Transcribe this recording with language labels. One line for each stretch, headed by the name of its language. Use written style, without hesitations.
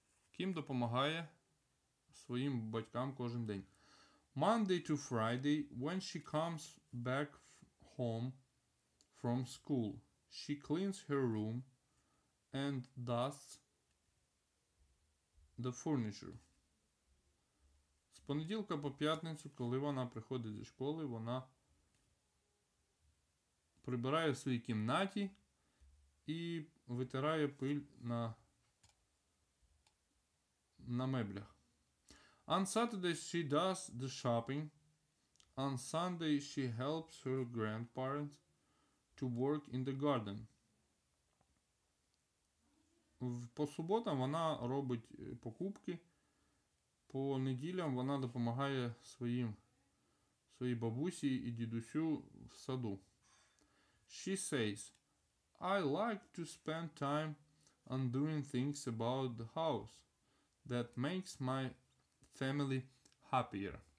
Ukrainian: Kim допомагає своїм батькам кожен день.
English: Monday to Friday, when she comes back home from school, she cleans her room and dusts the furniture.
Ukrainian: З понеділка по п'ятницю, коли вона приходить зі школи, вона прибирає в своїй кімнаті і витирає пиль на меблях.
English: On Saturday she does the shopping. On Sunday she helps her grandparents to work in the garden.
Ukrainian: По суботам вона робить покупки. По неділям вона допомагає своїй бабусі і дідусю в саду.
English: She says, I like to spend time on doing things about the house that makes my family happier.